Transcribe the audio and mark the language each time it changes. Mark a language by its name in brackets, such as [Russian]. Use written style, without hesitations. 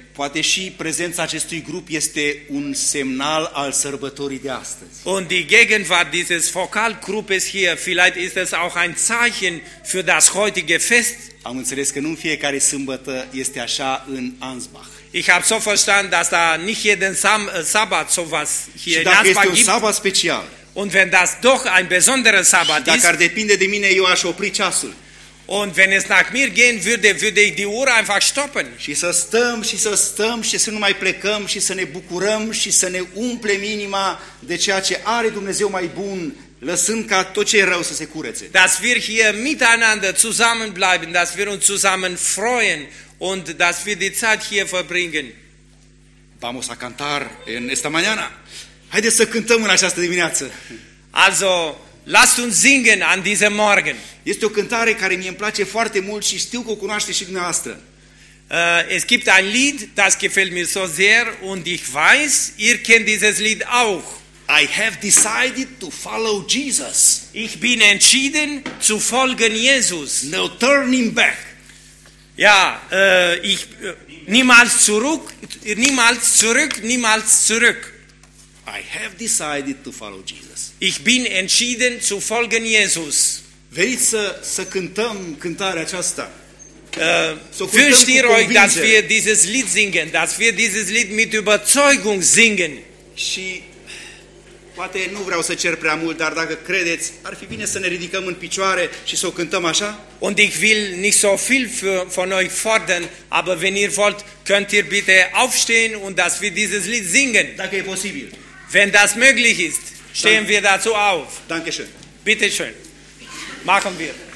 [Romanian] Poate și prezența acestui grup este un semnal al sărbătorii de astăzi. [German] Und die Gegenwart dieses Vokalgruppes hier, vielleicht ist es auch ein Zeichen für das heutige Fest. [Romanian] Am înțeles că nu în fiecare sâmbătă este așa în Ansbach. [German] Ich habe so verstanden, dass da nicht jeden Sabbat sowas hier in Ansbach gibt. [Romanian] Și dacă este un Sabbat special. [German] Und wenn das doch ein besonderer Sabbat ist. [Romanian] Și dacă ar depinde de mine, eu aș opri ceasul. [German] Und wenn es nach mir gehen würde, würde ich die Uhr einfach stoppen. [Romanian] Și să stăm și să stăm și să nu mai plecăm și să ne bucurăm și să ne umplem inima de ceea ce are Dumnezeu mai bun, lăsând ca tot ce e rău să se curețe. [German] Dass wir hier miteinander zusammenbleiben, dass wir uns zusammen freuen und dass wir die Zeit hier verbringen. [Spanish] Vamos a cantar en esta mañana. [Romanian] Haideți să cântăm în această dimineață. [German] Also, lasst uns singen an diesem Morgen. [Romanian] Este o cântare care mie îmi place foarte mult și știu că o cunoaște și dumneavoastră. [German] Es gibt ein Lied, das gefällt mir so sehr und ich weiß, ihr kennt dieses Lied auch. [English] I have decided to follow Jesus. [German] Ich bin entschieden zu folgen Jesus. [English] No turning back. [German] Ja, ich niemals zurück. [English] I have decided to follow Jesus. [German] Ich bin entschieden zu folgen Jesus. [Romanian] Veniți să cântăm cântarea aceasta. [German] Wünscht ihr euch, dass wir dieses Lied singen, dass wir dieses Lied mit Überzeugung singen? [Romanian] Și poate nu vreau să cer prea mult, dar dacă credeți, ar fi bine să ne ridicăm în picioare și să o cântăm așa? [German] Und ich will nicht so viel von euch fordern, aber wenn ihr wollt, könnt ihr bitte aufstehen und dass wir dieses Lied singen. [Romanian] Dacă e posibil. [German] Wenn das möglich ist, stehen wir dazu auf. Dankeschön. Bitte schön. Machen wir.